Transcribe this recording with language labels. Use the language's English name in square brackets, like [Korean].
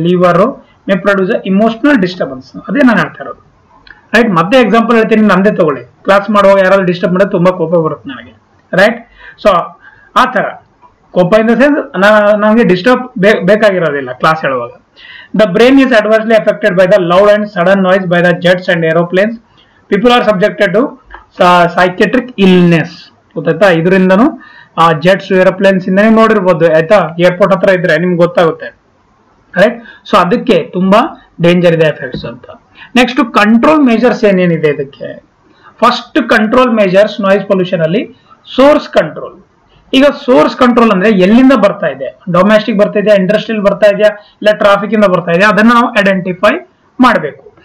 [English] liver may produce emotional disturbance, [Kannada] ಅದೇ ನಾನು ಹೇಳ್ತಾ ಇರೋದು, [English] Right. [Kannada] ಮತ್ತೆ ಎಕ್ಸಾಂಪಲ್ ಹೇಳ್ತೀನಿ, ನಂದೇ ತಗೊಳ್ಳಿ, ಕ್ಲಾಸ್ ಮಾಡುವಾಗ ಯಾರಾದ್ರೂ ಡಿಸ್ಟರ್ಬ್ ಮಾಡಿದ್ರೆ ತುಂಬಾ ಕೋಪ ಬರುತ್ತೆ ನನಗೆ, ರೈಟ್. ಸೊ ಆ ತರ ಕೋಪ ಇನ್ ದ ಸೆನ್ಸ್ ನನಗೆ ಡಿಸ್ಟರ್ಬ್ ಬೇಕಾಗಿರೋದಿಲ್ಲ ಕ್ಲಾಸ್ ಹೇಳುವಾಗ, [English] The brain is adversely affected by the loud and sudden noise by the jets and aeroplanes. People are subjected to psychiatric illness. [Kannada] ಗೊತ್ತಾಯ್ತ ಇದರಿಂದನು ಆ ಜೆಟ್ಸ್ ಏರೋಪ್ಲೇನ್ಸ್ ಇಂದ ನೋಡಿರ್ಬೋದು ಆಯ್ತಾ ಏರ್ಪೋರ್ಟ್ ಹತ್ರ ಇದ್ರೆ ನಿಮ್ಗೆ ಗೊತ್ತಾಗುತ್ತೆ ಕರೆಕ್ಟ್ ಸೊ ಅದಕ್ಕೆ ತುಂಬಾ ಡೇಂಜರ್ ಇದೆ ಎಫೆಕ್ಟ್ಸ್ ಅಂತ ನೆಕ್ಸ್ಟ್ ಕಂಟ್ರೋಲ್ ಮೇಜರ್ಸ್ ಏನೇನಿದೆ ಇದಕ್ಕೆ first control majors noise pollution ಅಲ್ಲಿ ಸೋರ್ಸ್ ಕಂಟ್ರೋಲ್ ಈಗ ಸೋರ್ಸ್ ಕಂಟ್ರೋಲ್ ಅಂದ್ರೆ ಎಲ್ಲಿಂದ ಬರ್ತಾ ಇದೆ ಡೊಮೆಸ್ಟಿಕ್ ಬರ್ತಾ ಇದೆಯಾ ಇಂಡಸ್ಟ್ರಿಯಲ್ ಬರ್ತಾ ಇದೆಯಾ ಇಲ್ಲ ಟ್ರಾಫಿಕ್ ಇಂದ ಬರ್ತಾ ಇದೆಯಾ ಅದನ್ನ ನಾವು ಐಡೆಂಟಿಫೈ ಮಾಡಬೇಕು